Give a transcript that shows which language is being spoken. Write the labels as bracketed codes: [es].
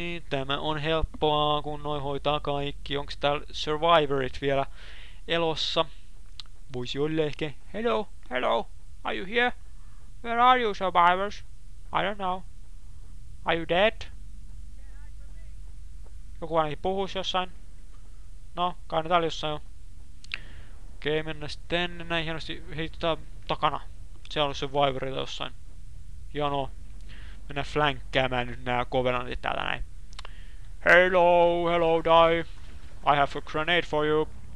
[fi] Tämä on helppoa, kun noi hoitaa kaikki. Onks täällä Survivorit vielä elossa? Voisi olla ehkä. [en] Hello, hello, are you here? Where are you, Survivors? I don't know. Are you dead? [fi] Joku ainakin puhuis jossain. No, kai ne täällä jossain on. Okei, mennään sitten näin hienosti heittää takana. Siellä on Survivorita jossain. Jano. Mennään flänkkäämään nyt nää Covenantit täällä näin. [en] Hello, hello, die. I have a grenade for you.